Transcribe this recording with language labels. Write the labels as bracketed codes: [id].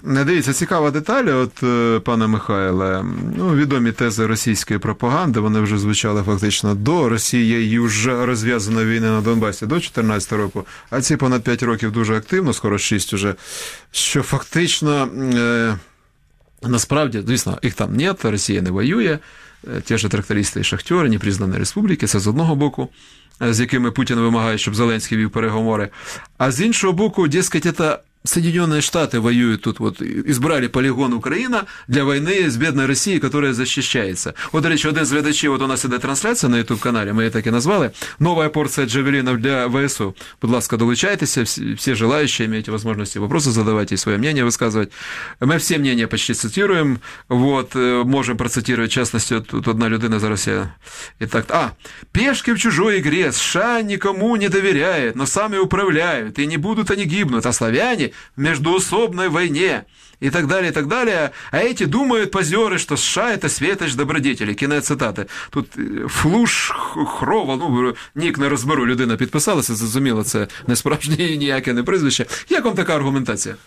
[uk] Не дивіться, цікава деталь, от, пане Михайле, ну, відомі тези російської пропаганди, вони вже звучали фактично до Росією, вже розв'язано війни на Донбасі, до 2014 року, а ці понад 5 років дуже активно, скоро 6 уже, що фактично, насправді, звісно, їх там нет, Росія не воює, ті ж трактористи і шахтери, ні признані республіки, це з одного боку, з якими Путін вимагає, щоб Зеленський вів переговори. А з іншого боку, дескать, це [ru] Соединенные Штаты воюют тут, вот избрали полигон Украина для войны с бедной Россией, которая защищается. Вот речь один из ведущих, вот у нас идет трансляция на YouTube-канале, мы ее так и назвали, новая порция джавелинов для ВСУ. [uk] Будь ласка, долучайтесь, [ru] все желающие, имеете возможность вопросы задавать и свое мнение высказывать. Мы все мнения почти цитируем, вот, можем процитировать, в частности, тут одна людина за Россию. Итак, пешки в чужой игре, США никому не доверяют, но сами управляют, и не будут они гибнуть, а славяне в междоусобной войне и так далее, и так далее. А эти думают, позеры, что США – это светоч добродетели. Кинецитаты. [uk] Тут Флуш Хрова, ну, ник не разберу, людина підписалася, зрозуміло, це не справжнє ніяке не прізвище. Як вам така аргументація?